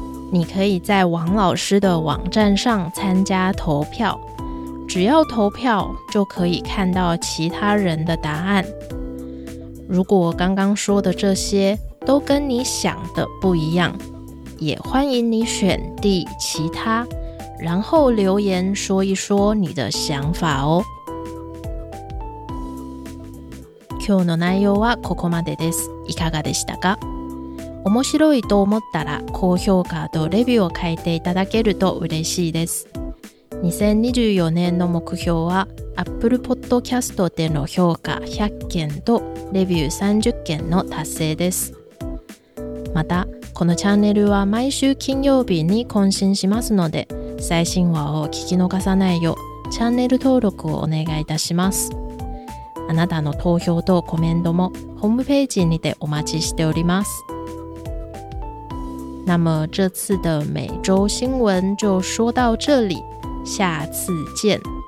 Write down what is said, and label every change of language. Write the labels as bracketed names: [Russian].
[Chinese] 你可以在王老师的网站上参加投票，只要投票就可以看到其他人的答案。如果刚刚说的这些都跟你想的不一样，也欢迎你选 D 其他，然后留言说一说你的想法哦。 [Japanese] 今日の内容はここまでです。いかがでしたか？面白いと思ったら高評価とレビューを書いていただけると嬉しいです。 2024年の目標は Apple Podcast での評価100件とレビュー30件の達成です。またこのチャンネルは毎週金曜日に更新しますので、最新話を聞き逃さないようチャンネル登録をお願いいたします。あなたの投票とコメントもホームページにてお待ちしております。 [Chinese] 那么这次的每周新闻就说到这里，下次见。